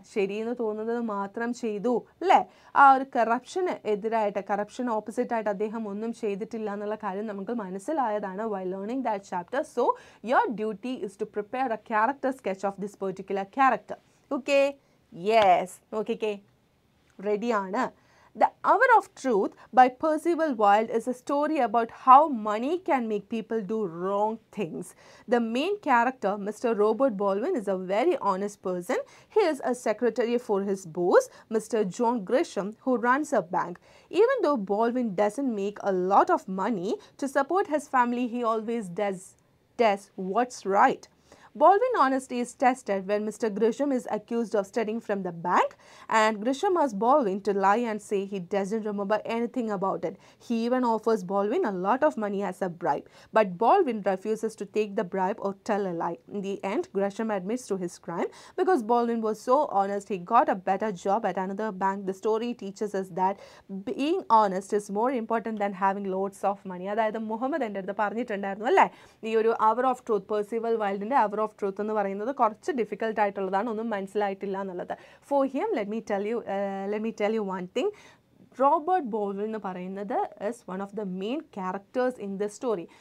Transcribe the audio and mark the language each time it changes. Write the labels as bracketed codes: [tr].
[ml] ശരിയെന്ന് തോന്നുന്നത് മാത്രം ചെയ്തു അല്ലേ. ആ ഒരു കറപ്ഷന് എതിരായിട്ട്, കറപ്ഷൻ ഓപ്പോസിറ്റായിട്ട് അദ്ദേഹം ഒന്നും ചെയ്തിട്ടില്ല എന്നുള്ള കാര്യം നമുക്ക് മനസ്സിലായതാണ് [en] Why learning that chapter. So your duty is to prepare a character sketch of this particular character. [ml] Okay, yes നോക്കിക്കേ, റെഡിയാണ്. [en] The Hour of Truth by Percival Wilde is a story about how money can make people do wrong things. The main character, Mr. Robert Baldwin, is a very honest person. He is a secretary for his boss, Mr. John Grisham, who runs a bank. Even though Baldwin doesn't make a lot of money, to support his family, he always does what's right. Baldwin's honesty is tested when Mr. Grisham is accused of stealing from the bank, and Grisham asks Baldwin to lie and say he doesn't remember anything about it. He even offers Baldwin a lot of money as a bribe, but Baldwin refuses to take the bribe or tell a lie. In the end, Grisham admits to his crime. Because Baldwin was so honest, he got a better job at another bank. The story teaches us that being honest is more important than having loads of money. [ml] അതായത് മുഹമ്മദ് എൻ്റെ അടുത്ത് പറഞ്ഞിട്ടുണ്ടായിരുന്നു അല്ലേ, ഈ ഒരു hour of truth, Percival വൈൽഡിൻ്റെ hour of truth എന്ന് പറയുന്നത് കുറച്ച് ഡിഫിക്കൽട്ട് ആയിട്ടുള്ളതാണ്, ഒന്നും മനസ്സിലായിട്ടില്ല എന്നുള്ളത്. [en] For him, let me tell you one thing. Robert Baldwin [ml] എന്ന് പറയുന്നത് [en] Is one of the main characters in the story.